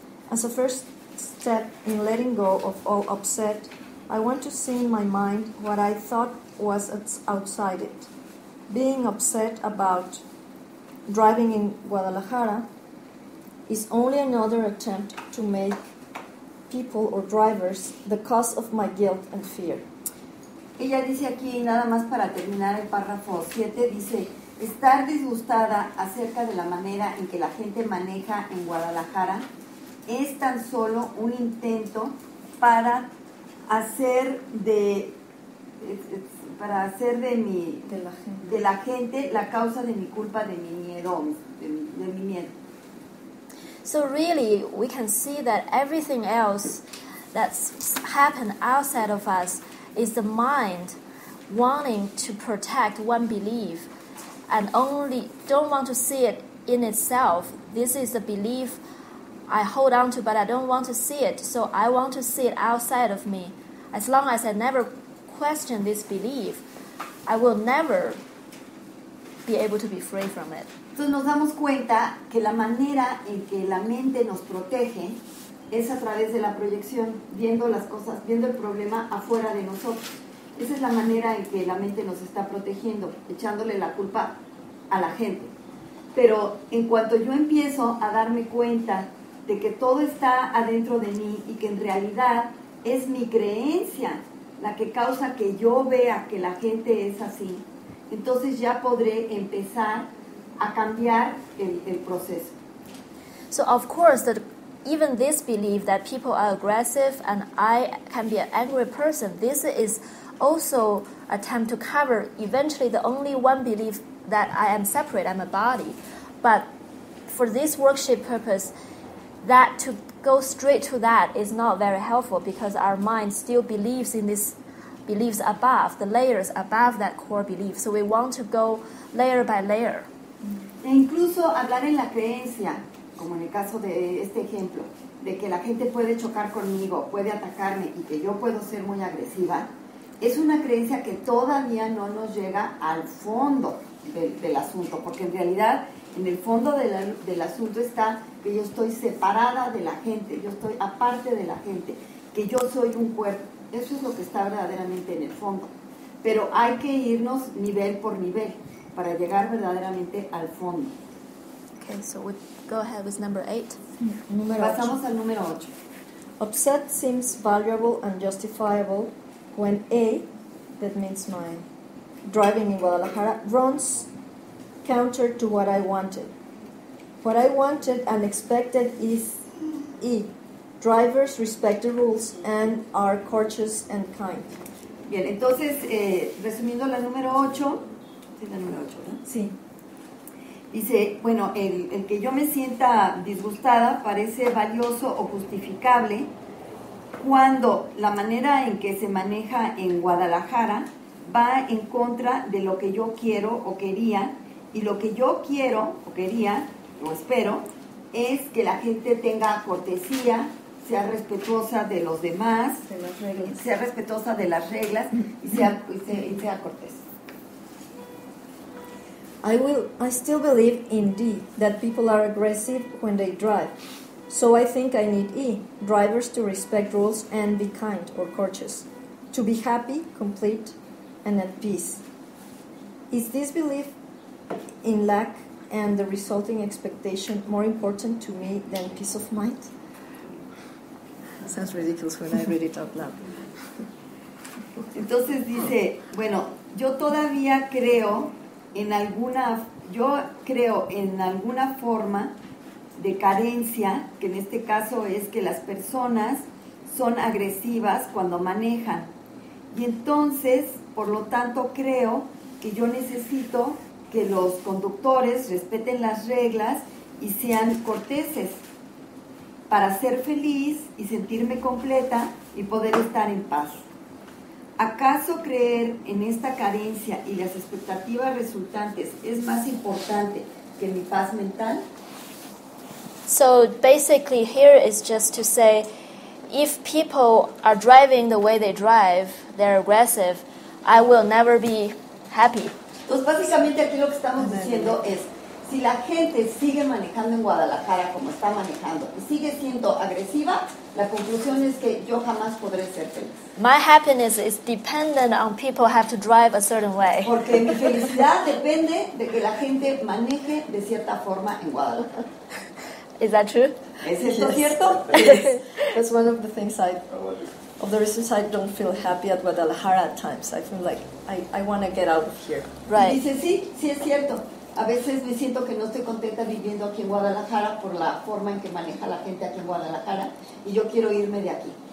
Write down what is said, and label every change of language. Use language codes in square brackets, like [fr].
[en] As a first step in letting go of all upset, I want to see in my mind what I thought was outside it. Being upset about driving in Guadalajara is only another attempt to make people or drivers the cause of my guilt and fear. [es] Ella dice aquí, nada más para terminar el párrafo 7, dice, estar disgustada acerca de la manera en que la gente maneja en Guadalajara es tan solo un intento para hacer de... para hacer de la gente la causa de mi culpa, de mi miedo, de mi miedo. [en] So really, we can see that everything else that's happened outside of us is the mind wanting to protect one belief and only don't want to see it in itself. This is a belief I hold on to, but I don't want to see it, so I want to see it outside of me. As long as I never question this belief, I will never be able to be free from it. [es] Entonces nos damos cuenta que la manera en que la mente nos protege es a través de la proyección, viendo las cosas, viendo el problema afuera de nosotros. Esa es la manera en que la mente nos está protegiendo, echándole la culpa a la gente. Pero en cuanto yo empiezo a darme cuenta de que todo está adentro de mí y que en realidad es mi creencia la que causa que yo vea que la gente es así, entonces ya podré empezar a cambiar el proceso. [en] So of course that even this belief that people are aggressive and I can be an angry person, this is also attempt to cover eventually the only one belief that I am separate, I'm a body. But for this workshop purpose, that to go straight to that is not very helpful because our mind still believes in this beliefs above, the layers above that core belief. So we want to go layer by layer. [es] E incluso hablar en la creencia, como en el caso de este ejemplo, de que la gente puede chocar conmigo, puede atacarme y que yo puedo ser muy agresiva, es una creencia que todavía no nos llega al fondo del asunto, porque en realidad en el fondo del asunto está que yo estoy separada de la gente, yo estoy aparte de la gente, que yo soy un cuerpo. Eso es lo que está verdaderamente en el fondo. Pero hay que irnos nivel por nivel para llegar verdaderamente al fondo. [en] Okay, so we go ahead with number 8. [es] Pasamos al número 8. [en] Upset seems valuable and justifiable when A, that means mine, driving in Guadalajara, runs counter to what I wanted. What I wanted and expected is E. Drivers respect the rules and are courteous and kind. [es] Bien, entonces, resumiendo la número 8. Sí, la número 8, ¿verdad? Sí. Dice, bueno, el que yo me sienta disgustada parece valioso o justificable cuando la manera en que se maneja en Guadalajara va en contra de lo que yo quiero o quería, y lo que yo quiero o quería o espero es que la gente tenga cortesía, sea respetuosa de los demás, de las reglas. Sea respetuosa de las reglas y sea cortés. [en] I still believe in D, that people are aggressive when they drive. So I think I need E, drivers to respect rules and be kind or courteous, to be happy, complete, and at peace. Is this belief in lack and the resulting expectation more important to me than peace of mind? Sounds ridiculous when I read it out loud. [es] Entonces dice, bueno, yo creo en alguna forma de carencia, que en este caso es que las personas son agresivas cuando manejan. Y entonces, por lo tanto, creo que yo necesito que los conductores respeten las reglas y sean corteses para ser feliz y sentirme completa y poder estar en paz. ¿Acaso creer en esta carencia y las expectativas resultantes es más importante que mi paz mental? [en] So basically here is just to say, if people are driving the way they drive, they're aggressive, I will never be happy. [es] Entonces, básicamente aquí lo que estamos diciendo es, si la gente sigue manejando en Guadalajara como está manejando y sigue siendo agresiva, la conclusión es que yo jamás podré ser feliz. [en] My happiness is dependent on people have to drive a certain way. [es] Porque mi felicidad depende de que la gente maneje de cierta forma en Guadalajara. [en] Is that true? [es] ¿Es esto cierto? [en] That's one of the things I... Of the reasons I don't feel happy at Guadalajara at times. I feel like I want to get out of here. Right. [es] Y dice, sí, sí es cierto. A veces me siento que no estoy contenta viviendo aquí en Guadalajara por la forma en que maneja la gente aquí en Guadalajara y yo quiero irme de aquí.